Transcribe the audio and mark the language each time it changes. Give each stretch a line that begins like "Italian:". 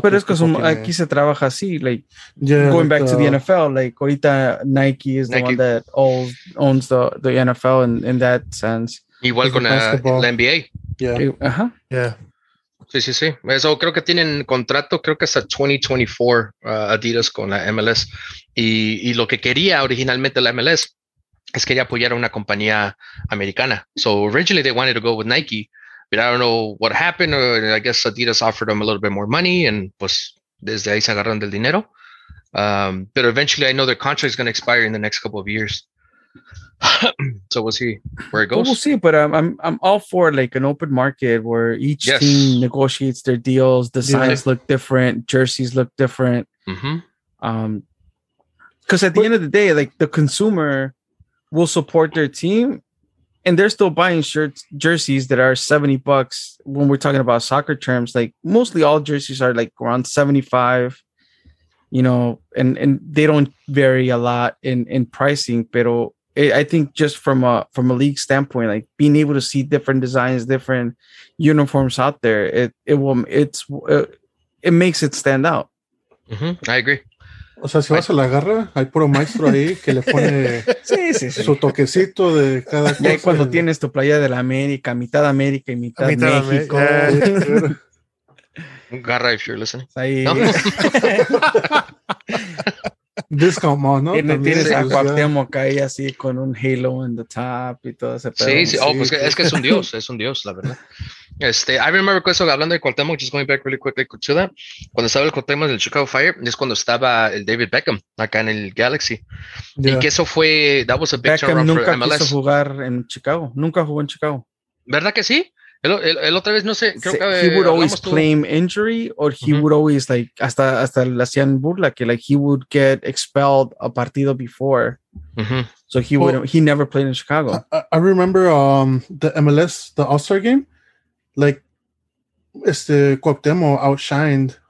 Spanish: Pero es que aquí se trabaja así,
English: like, yeah, going back to the NFL, like, ahorita Nike is the one that owns the NFL in that sense.
Spanish: Igual con la NBA.
English: Yeah. Uh-huh. Yeah.
Spanish: Sí, sí, sí. Eso creo que tienen contrato, creo que hasta 2024 Adidas con la MLS. Y lo que quería originalmente la MLS es que ella apoyara una compañía americana.
English: So originally they wanted to go with Nike, but I don't know what happened. I guess Adidas offered them a little bit more money and
Spanish: pues desde ahí se agarraron del dinero.
English: But eventually I know their contract is going to expire in the next couple of years. So we'll see where it goes. We'll see, but I'm all for, like, an open market where each yes. team negotiates their deals, designs yeah. look different, jerseys look different. Mm-hmm. Because at the end of the day, like, the consumer will support their team, and they're still buying shirts, jerseys that are $70 when we're talking about soccer terms. Like, mostly all jerseys are, like, around $75, you know, and they don't vary a lot in pricing, pero I think just from a league standpoint, like, being able to see different designs, different uniforms out there, it makes it stand out. Mm-hmm. I agree.
Spanish: O sea, si vas a la garra, hay puro maestro ahí que le pone sí. su toquecito de cada cosa. Y ahí cuando tienes tu playa de la América y mitad México.
English: Garra, if you're listening.
Spanish: Ahí. No.
English: Discount mall, ¿no?
Spanish: Y tienes a Cuauhtémoc ahí así con un halo en
English: the top
Spanish: y todo ese pedo. Sí, sí. Oh, pues es que es un dios, la verdad.
English: I remember eso,
Spanish: hablando de Cuauhtémoc,
English: just going back really quickly to that.
Spanish: Cuando estaba el Cuauhtémoc en el Chicago Fire, es cuando estaba el David Beckham acá en el Galaxy.
English: Yeah.
Spanish: Y que eso fue,
English: that was a big Beckham turnaround
Spanish: nunca
English: for MLS.
Spanish: Quiso jugar en Chicago, nunca jugó en Chicago. ¿Verdad que sí? El otra vez, no sé, creo que...
English: He would always claim injury, or he uh-huh. would always, like,
Spanish: hasta le hacían burla, que,
English: like, he would get expelled a partido before. Uh-huh. So he never played in Chicago. I remember the MLS, the All-Star game, like, Cuauhtémoc outshined...